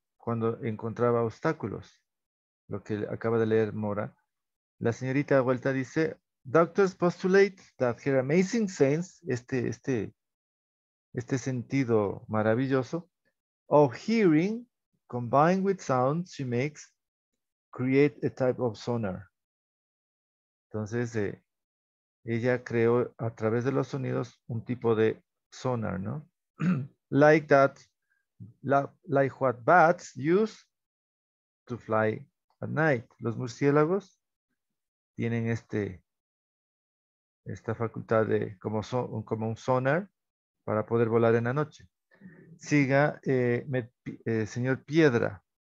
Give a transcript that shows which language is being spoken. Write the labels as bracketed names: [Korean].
[Spanish] Cuando encontraba obstáculos. Lo que acaba de leer Mora. La señorita Vuelta dice, [English] doctors postulate that her amazing sense, [Spanish] este sentido maravilloso, [English] of hearing combined with sounds she makes, create a type of sonar. [Spanish] Entonces, ella creó a través de los sonidos un tipo de sonar, ¿no? [English] Like that, like what bats use to fly at night. [Spanish] Los murciélagos tienen esta facultad de como un sonar para poder volar en la noche. Siga, señor Piedra.